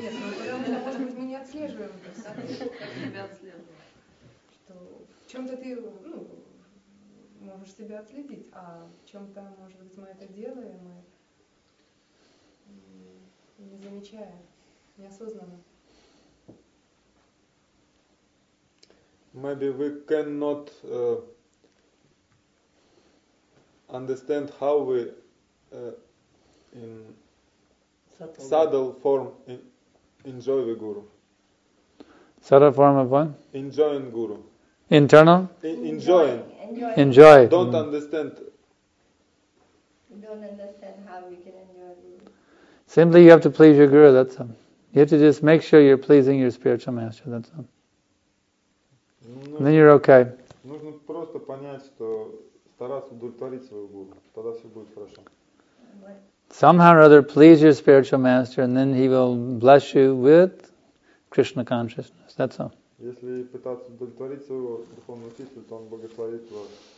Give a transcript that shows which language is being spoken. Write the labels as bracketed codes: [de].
[ru] Нет, ну, потому что, может быть, мы не отслеживаем это все. Как тебя отслеживают? Что в чем-то ты, ну, можешь себя отследить, а в чем-то, может быть, мы это делаем, мы не замечаем, неосознанно. [en] Maybe we cannot understand how we in subtle form enjoy the guru. Subtle form of what? Enjoying guru. Internal? Enjoying. Enjoy. Don't understand. Don't understand how we can enjoy guru. Simply you have to please your guru, that's all. You have to just make sure you're pleasing your spiritual master, that's all. Then you're okay. [ru] Нужно просто понять, что стараться удовлетворить своего гуру, тогда все будет хорошо. [en] Somehow or other, please your spiritual master, and then he will bless you with Krishna consciousness. That's all. [ru] Если пытаться удовлетворить своего духовного учителя, то он благословит вас